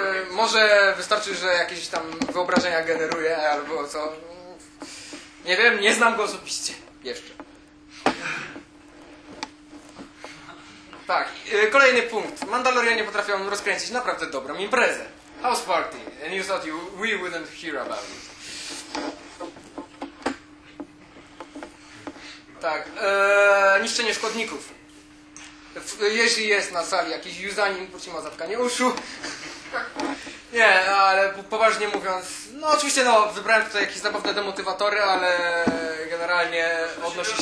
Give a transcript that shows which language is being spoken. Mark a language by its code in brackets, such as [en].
[pl] Może wystarczy, że jakieś tam wyobrażenia generuje, albo co. Nie wiem, nie znam go osobiście. Jeszcze. Tak, kolejny punkt. Mandalorianie potrafią rozkręcić naprawdę dobrą imprezę. [en] House party. And you thought we wouldn't hear about it. [pl] Tak, niszczenie szkodników. Jeśli jest na sali jakiś Yuzanin, prosi ma zatkanie uszu. Nie, ale poważnie mówiąc, no oczywiście no, wybrałem tutaj jakieś zabawne demotywatory, ale generalnie odnosi się...